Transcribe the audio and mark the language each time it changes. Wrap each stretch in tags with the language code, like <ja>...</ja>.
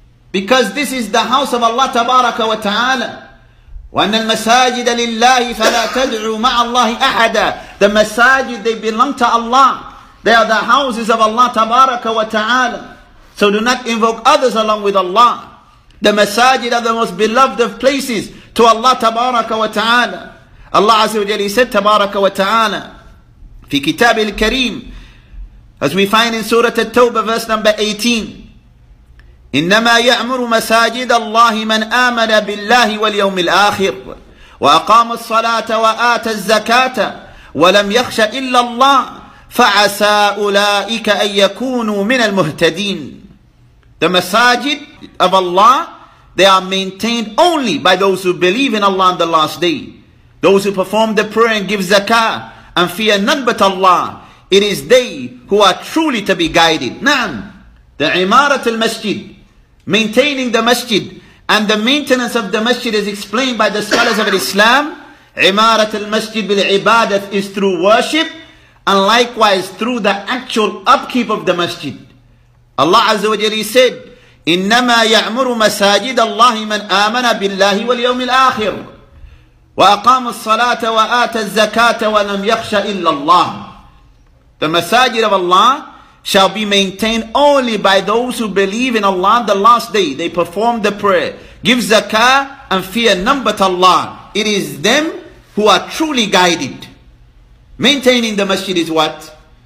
<en>Because this is the house of Allah</en> <ar>tabaraka wa ta'ala. وَأَنَّ الْمَسَاجِدَ لِلَّهِ فَلَا تَدْعُوا مَعَ اللَّهِ أَحَدًا.</ar> <en>The masajid, they belong to Allah. They are the houses of Allah</en> <ar>tabaraka wa ta'ala.</ar> <en>So do not invoke others along with Allah. The masajid are the most beloved of places to Allah</en> <ar>tabaraka wa ta'ala. Allah Azza wa Jalla</ar> <en>said</en> <ar>tabaraka wa ta'ala fi kitab al-kareem,</ar> <en>as we find in Surah At-Tawbah verse number 18,</en> <ar>إِنَّمَا يَعْمُرُ مَسَاجِدَ اللَّهِ مَنْ آمَنَ بِاللَّهِ وَالْيَوْمِ الْآخِرِ وَأَقَامَ الصَّلَاةَ وَآتَ الزَّكَاةَ وَلَمْ يَخْشَ إِلَّا اللَّهِ فَعَسَى أُولَٰئِكَ أَنْ يَكُونُوا مِنَ الْمُهْتَدِينَ.</ar> <en>The masajid of Allah, they are maintained only by those who believe in Allah on the last day, those who perform the prayer and give zakah and fear none but Allah. It is they who are truly to be guided. Na'am. The imarat al-masjid, maintaining the masjid, and the maintenance of the masjid is explained by the scholars of Islam.</en> <ar>Imarat al-masjid bil-ibadat</ar> <en>is through worship, and likewise through the actual upkeep of the masjid. Allah Azza wa Jalla said,</en> <ar>إِنَّمَا يَعْمُرُ مَسَاجِدَ اللَّهِ مَنْ آمَنَ بِاللَّهِ وَالْيَوْمِ الْآخِرِ وَأَقَامُ الصَّلَاةَ وَآتَ الزَّكَاةَ وَلَمْ يَخْشَ إِلَّا اللَّهِ.</ar> <en>The masajid of Allah shall be maintained only by those who believe in Allah the last day. They perform the prayer, give zakah, and fear none but Allah. It is them who are truly guided. Maintaining the masjid is what?</en>